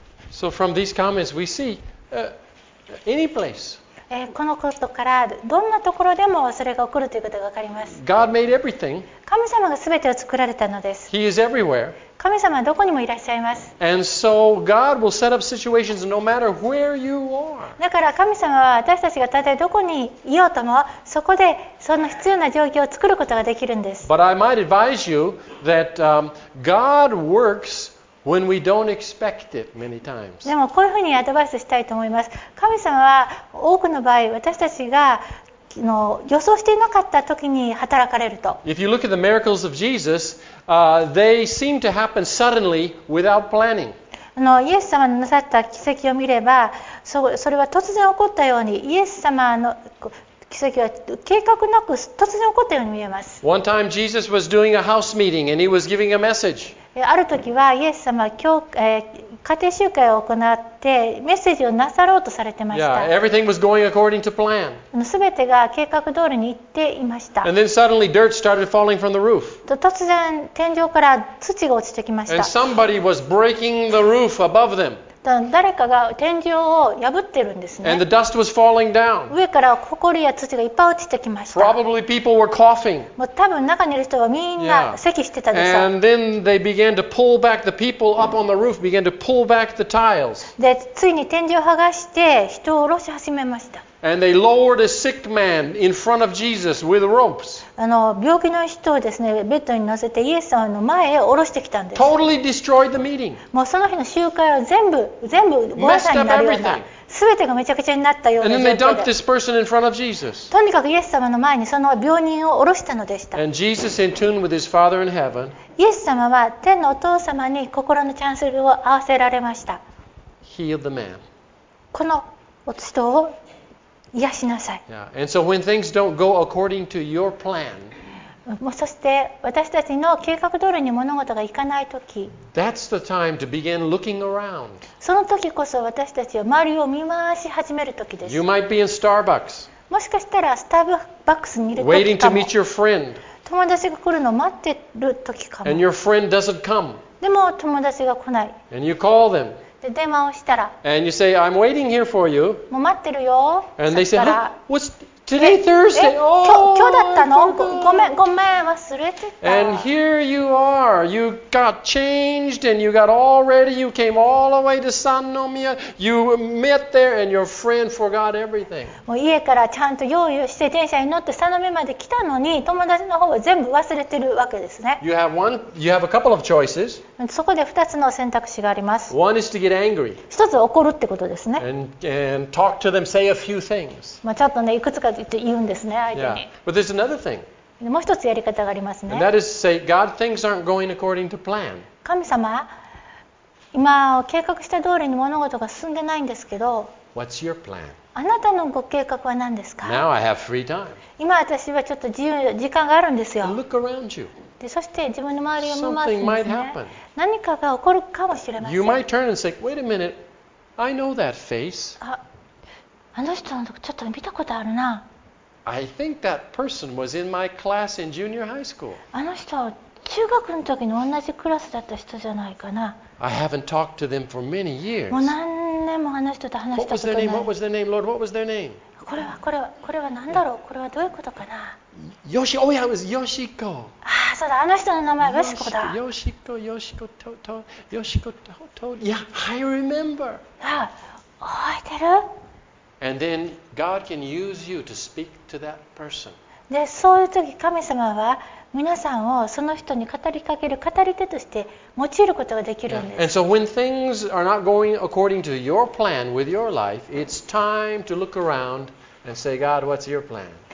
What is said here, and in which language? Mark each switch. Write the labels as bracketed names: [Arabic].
[English] So from these comments we see any place [Japanese] このことからどんなところでもそれが起こるということが分かります。 [English] God made everything. [Japanese] 神様が全てを作られたのです。 [English] He is everywhere. [Japanese] 神様はどこにもいらっしゃいます。 [English] And so God will set up situations no matter where you are. [Japanese] だから神様は私たちがたとえどこにいようとも、そこでその必要な状況を作ることができるんです。 [English] But I might advise you that God works. When we don't expect it many times. [Japanese] でもこういうふうにアドバイスしたいと思います。神様は多くの場合私たちが予想していなかった時に働かれると。 [English] If you look at the miracles of Jesus, they seem to happen suddenly without planning. [Japanese] イエス様のなさった奇跡を見れば、それは突然起こったように、イエス様の奇跡は計画なく突然起こったように見えます。 [English] One time Jesus was doing a house meeting and he was giving a message [Japanese] ある時はイエス様は家庭集会を行ってメッセージをなさろうとされてました。 [English] Yeah, everything was going according to plan. [Japanese] 全てが計画通りに行っていました。 [English] And then suddenly dirt started falling from the roof. [Japanese] 突然天井から土が落ちてきました。 [English] And somebody was breaking the roof above them. [Japanese] 誰かが天井を破ってるんですね。 [English] And the dust was falling down. [Japanese] 上から埃や土がいっぱい落ちてきました。 [English] Probably people were coughing. [Japanese] もう多分中にいる人はみんな咳してたでしょ。 [English] And then they began to pull back the people up on the roof, began to pull back the tiles. [Japanese] で、ついに天井を剥がして人を下ろし始めました。 [English] And they lowered a sick man in front of Jesus with ropes. [Japanese] あの、病気の人をですね、ベッドに乗せてイエス様の前へ下ろしてきたんです。 [English] Totally destroyed the meeting. [Japanese] もうその日の集会は全部ごはんになるような。 [English] Messed up everything. [Japanese] 全てがめちゃくちゃになったような。 [English] And then they dumped this person in front of Jesus. [Japanese] とにかくイエス様の前にその病人を下ろしたのでした。 [English] And Jesus, in tune with his Father in heaven, [Japanese] イエス様は天のお父様に心のチャンスを合わせられました。 [English] Healed the man. [Japanese] このお人を癒しなさい。 [English] Yeah. And so when things don't go according to your plan, [Japanese] もうそして私たちの計画通りに物事がいかないとき、 [English] That's the time to begin looking around. [Japanese] その時こそ私たちは周りを見回し始める時です。 [English] You might be in Starbucks. [Japanese] もしかしたらスターバックスにいる時かも。 [English] Waiting to meet your friend. [Japanese] 友達が来るのを待ってる時かも。 [English] And your friend doesn't come. [Japanese] でも友達が来ない。 [English] And you call them. [Japanese] で電話をしたら、 [English] And you say, I'm waiting here for you. [Japanese] もう待ってるよ。 [English] And they say, What's today Thursday? Oh, [Japanese] 今日だったの？ごめん、忘れてた。 [English] And here you are. You got changed and you got all ready. You came all the way to Sannomiya. You met there and your friend forgot everything. [Japanese] もう家からちゃんと用意をして電車に乗ってサノミまで来たのに、友達の方は全部忘れてるわけですね。 [English] You have a couple of choices. [Japanese] そこで2つの選択肢があります。 [English] One is to get angry. [Japanese] 1つは怒るってことですね。 [English] And talk to them, say a few things. [Japanese] まあちょっとね、いくつか言うんですね、相手に。 [English] Yeah. But there's another thing. [Japanese] もう1つやり方がありますね。 [English] And that is to say, God, things aren't going according to plan. [Japanese] 神様、今計画した通りに物事が進んでないんですけど、 [English] What's your plan? [Japanese] あなたのご計画は何ですか？ [English] Now I have free time. [Japanese] 今私はちょっと時間があるんですよ。 [English] And look around you. [Japanese] でそして自分の周りを見ますんですね。何かが起こるかもしれません。 [English] You might turn and say, Wait a minute, I know that face. [Japanese] あの人のとこちょっと見たことあるな。 [English] I think that person was in my class in junior high school. [Japanese] あの人は中学の時の同じクラスだった人じゃないかな。 [English] I haven't talked to them for many years. [Japanese] もう何年もあの人と話したことない。 [English] What was their name, Lord? What was their name? [Japanese] これは何だろう？これはどういうことかな？ [English] ヨシコ、oh yeah, it was Yoshiko. [Japanese] ああ、そうだ、あの人の名前はヨシコだ。 [English] ヨシコと、Yeah, I remember. [Japanese] ああ、覚えてる？ [English] And then God can use you to speak to that person. [Japanese] で、そういう時神様は皆さんをその人に語りかける語り手として用いることができるんです。 [English] Yeah. And so when things are not going according to your plan with your life, it's time to look around and say, God, what's your plan?